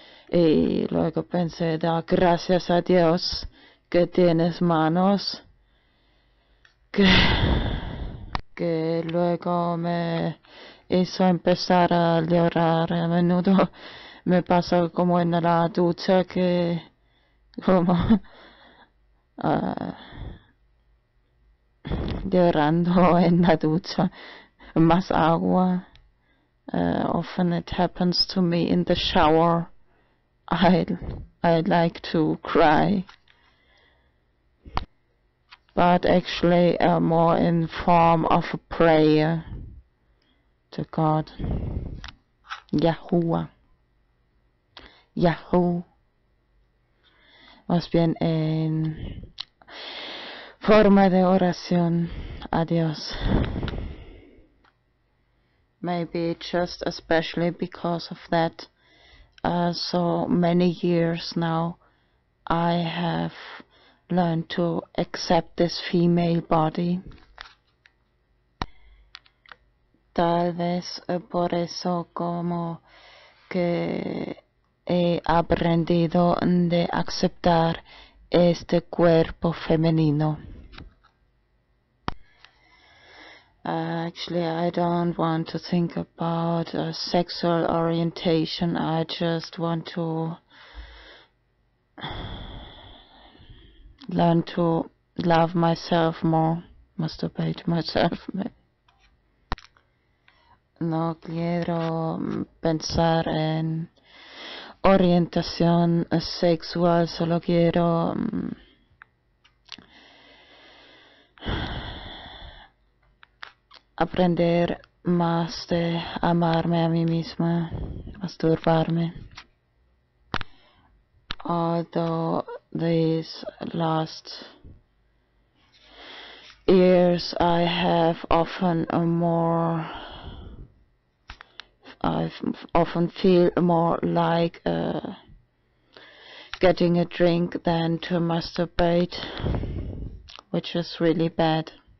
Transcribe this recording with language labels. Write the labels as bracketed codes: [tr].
[es] y luego pensé, da gracias a Dios que tienes manos, que luego me hizo empezar a llorar. A menudo me pasa como en la ducha que como llorando en la ducha, más agua. [en] Often it happens to me in the shower. I like to cry. But actually more in form of a prayer to God. Yahuwah. Yahoo. [es] Más bien en forma de oración a Dios. [en] Maybe just especially because of that, so many years now I have learned to accept this female body. [es] Tal vez por eso como que he aprendido de aceptar este cuerpo femenino. [en] Actually, I don't want to think about sexual orientation. I just want to learn to love myself more, masturbate myself. [es] No quiero pensar en orientación sexual, solo quiero aprender más de amarme a mí misma, masturbarme. [en] Although these last years I have often I often feel more like getting a drink than to masturbate, which is really bad.